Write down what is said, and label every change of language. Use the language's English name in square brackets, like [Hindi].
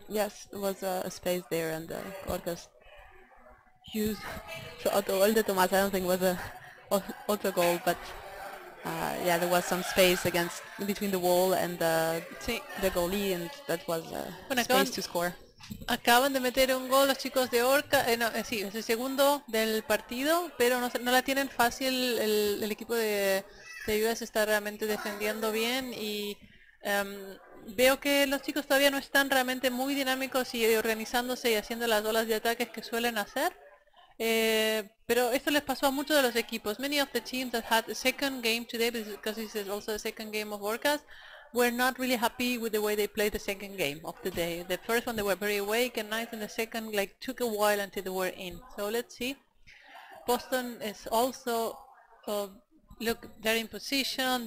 [English] Yes, there was a space there, and Orcas used shot all the Tomas. I don't think it was a goal, but yeah, there was some space between the wall and the goalie, and that was a space to score. [Spanish] Acaban de meter un gol los chicos de Orca, no, sí, es el segundo del partido, pero no la tienen fácil. El equipo de US está realmente defendiendo bien y veo que los chicos todavía no están realmente muy dinámicos y organizándose y haciendo las olas de ataques que suelen hacer. Pero esto les pasó a muchos de los equipos. [English] Many of the teams that had a second game today, because this is also the second game of Orcas, were not really happy with the way they played the second game of the day. The first one they were very awake and nice, and the second like took a while until they were in. So let's see. Boston is also look, they're in position.